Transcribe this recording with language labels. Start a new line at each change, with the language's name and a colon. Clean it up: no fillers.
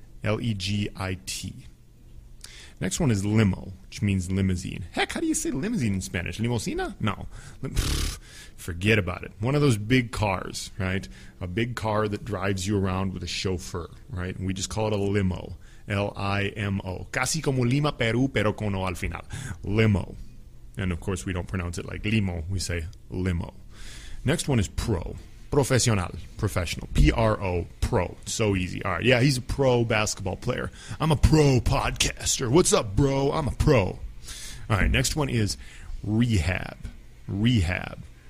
English: L-E-G-I-T. Next one is limo, which means limousine. Heck, how do you say limousine in Spanish? Limousina? No. Forget about it. One of those big cars, right? A big car that drives you around with a chauffeur, right? And we just call it a limo. L-I-M-O.
Spanish: Casi como Lima, Peru, pero con O al final.
English: Limo. And of course, we don't pronounce it like limo. We say limo. Next one is pro. Profesional. Professional. P-R-O. Pro. So easy. All right. Yeah, he's a pro basketball player. I'm a pro podcaster. What's up, bro? I'm a pro. All right. Next one is rehab. Rehab.